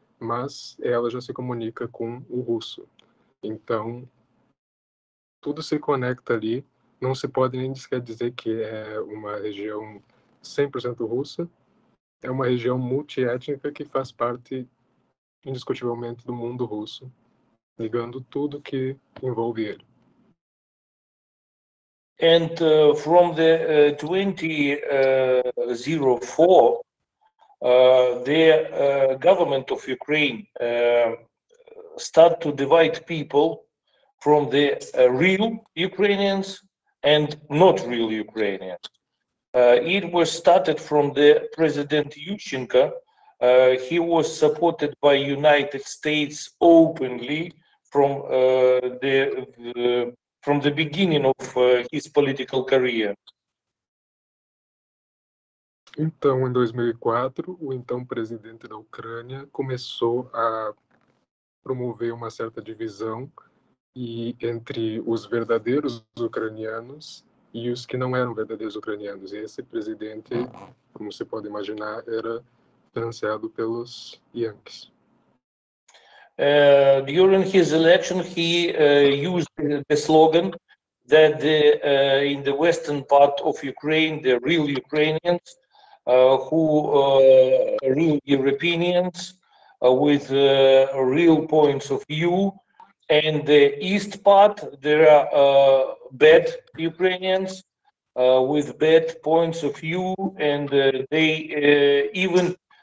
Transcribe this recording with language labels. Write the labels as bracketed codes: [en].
[pt] Mas ela já se comunica com o russo. Então, tudo se conecta ali. Não se pode nem sequer dizer que é uma região 100% russa. É uma região multiétnica que faz parte, indiscutivelmente, do mundo russo, ligando tudo que envolve ele. [en] And from the 2004, the government of Ukraine start to divide people from the real Ukrainians and not real Ukrainians. It was started from the President Yushchenko. He was supported by United States openly from the beginning of his political career. [pt] Então, em 2004, o então presidente da Ucrânia começou a promover uma certa divisão entre os verdadeiros ucranianos e os que não eram verdadeiros ucranianos. E esse presidente, como você pode imaginar, era financiado pelos Yankees. [en] During his election, he used the slogan that in the western part of Ukraine, the real Ukrainians, who real Europeans, with real points of view, and the east part, there are bad Ukrainians with bad points of view, and they even